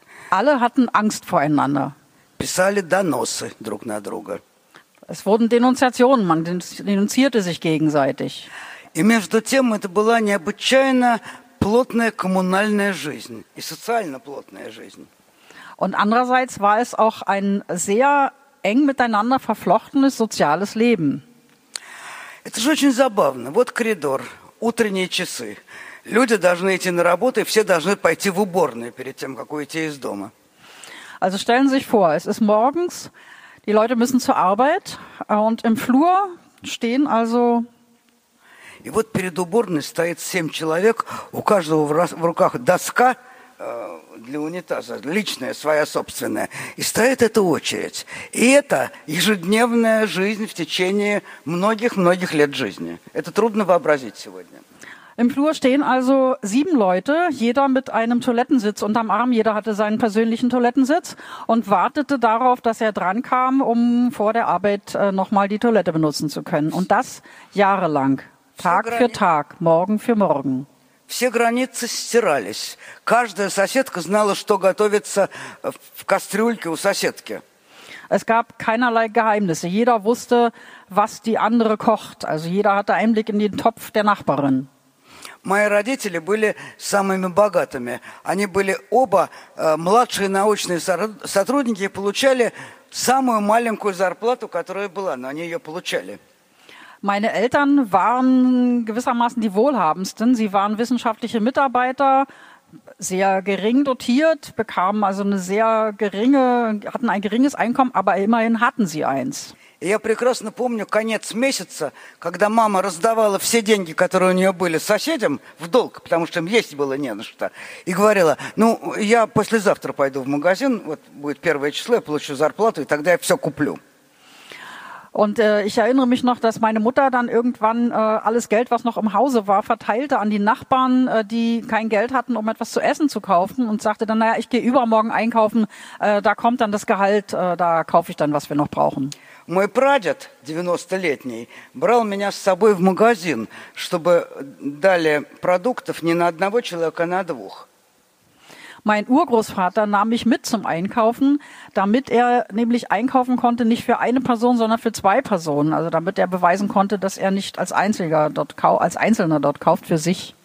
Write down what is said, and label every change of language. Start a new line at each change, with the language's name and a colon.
German: Alle hatten Angst voreinander.
Russian: Писали доносы друг на друга.
German: Es wurden Denunziationen, man denunzierte sich gegenseitig.
Russian: И между тем это была необычайно плотная коммунальная жизнь и социально плотная жизнь.
German: Und andererseits war es auch ein sehr eng miteinander verflochtenes soziales Leben.
Russian: Это же очень забавно. Вот коридор, утренние часы. Люди должны идти на работу, и все должны пойти в уборную перед тем, как уйти из дома.
German: Also stellen Sie sich vor, es ist morgens. Die Leute müssen zur Arbeit und im Flur stehen also.
Russian: И вот перед уборной стоит 7 человек, у каждого в руках доска для унитаза, личная, своя собственная. И стоит эта очередь. И это ежедневная жизнь в течение многих-многих лет жизни. Это трудно вообразить сегодня.
German: Im Flur stehen also 7 Leute, jeder mit einem Toilettensitz unterm Arm, jeder hatte seinen persönlichen Toilettensitz und wartete darauf, dass er drankam, um vor der Arbeit nochmal die Toilette benutzen zu können. Und das jahrelang, Tag für Tag, Morgen für Morgen.
Russian: Все границы стирались. Каждая соседка знала, что готовится в кастрюльке у соседки.
German: Es gab keinerlei Geheimnisse. Jeder wusste, was die andere kocht. Also jeder hatte Einblick in den Topf der Nachbarin.
Russian: Мои родители были самыми богатыми. Они были оба младшие научные сотрудники и получали самую маленькую зарплату, которая была, но они ее получали.
German: Meine Eltern waren gewissermaßen die wohlhabendsten. Sie waren wissenschaftliche Mitarbeiter, sehr gering dotiert, bekamen also hatten ein geringes Einkommen, aber immerhin hatten sie eins.
Russian: Я прекрасно помню конец месяца, когда мама раздавала все деньги, которые у нее были, соседям в долг, потому что им есть было не на что, и говорила, ну, я послезавтра пойду в магазин, вот будет 1-е число, я получу зарплату, и тогда я все куплю.
German: Und ich erinnere mich noch, dass meine Mutter dann irgendwann alles Geld, was noch im Hause war, verteilte an die Nachbarn, die kein Geld hatten, um etwas zu essen zu kaufen und sagte dann, naja, ich gehe übermorgen einkaufen, da kommt dann das Gehalt, da kaufe ich dann, was wir noch brauchen.
Russian: Мой прадед, 90-летний, брал меня с собой в магазин, чтобы дали продуктов не на одного человека, а на двух.
German: Mein Urgroßvater nahm mich mit zum Einkaufen, damit er nämlich einkaufen konnte, nicht für eine Person, sondern für zwei Personen. Also damit er beweisen konnte, dass er nicht als Einzelner dort kauft für sich.